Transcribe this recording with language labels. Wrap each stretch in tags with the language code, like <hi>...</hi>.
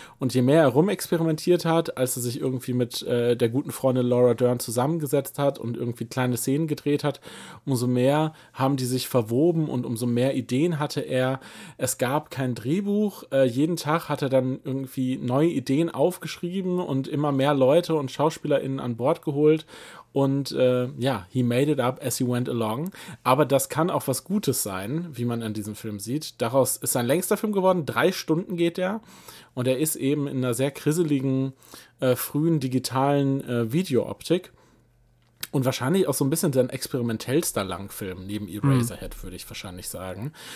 <de>Und je mehr er rumexperimentiert hat, als er sich irgendwie mit der guten Freundin Laura Dern zusammengesetzt hat und irgendwie kleine Szenen gedreht hat, umso mehr haben die sich verwoben und umso mehr Ideen hatte er. Es gab kein Drehbuch. Jeden Tag hat er dann irgendwie neue Ideen aufgeschrieben und immer mehr Leute und SchauspielerInnen an Bord geholt. Und ja,</de> <en>he made it up as he went along.</en> <de>Aber das kann auch was Gutes sein, wie man an diesem Film sieht. Daraus ist sein längster Film geworden. 3 Stunden geht er. Und er ist eben in einer sehr kriseligen, frühen digitalen Videooptik. Und wahrscheinlich auch so ein bisschen sein experimentellster Langfilm, neben Eraserhead, würde ich wahrscheinlich sagen.</de>